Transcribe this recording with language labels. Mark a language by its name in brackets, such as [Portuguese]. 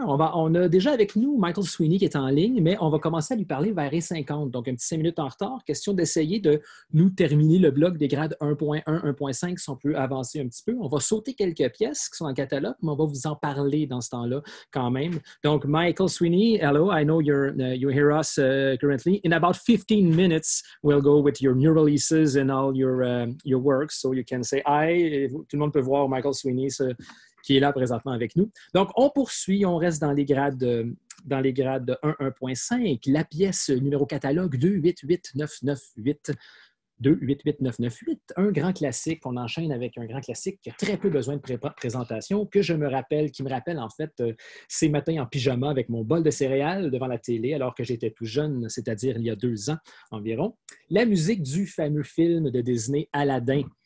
[French] On a déjà avec nous Michael Sweeney qui est en ligne, mais on va commencer à lui parler vers R50, donc un petit 5 minutes en retard. Question d'essayer de nous terminer le bloc des grades 1.1, 1.5, si on peut avancer un petit peu. On va sauter quelques pièces qui sont en catalogue, mais on va vous en parler dans ce temps-là quand même. [English] Donc, Michael Sweeney, hello, I know you hear us currently. In about 15 minutes, we'll go with your new releases and all your work, so you can say hi. [French] Tout le monde peut voir Michael Sweeney, qui est là présentement avec nous. Donc, on poursuit, on reste dans les grades de 1.5. La pièce numéro catalogue 288998, 288998, un grand classique. On enchaîne avec un grand classique qui a très peu besoin de présentation, qui me rappelle en fait ces matins en pyjama avec mon bol de céréales devant la télé alors que j'étais tout jeune, c'est-à-dire il y a 2 ans environ. La musique du fameux film de Disney Aladdin.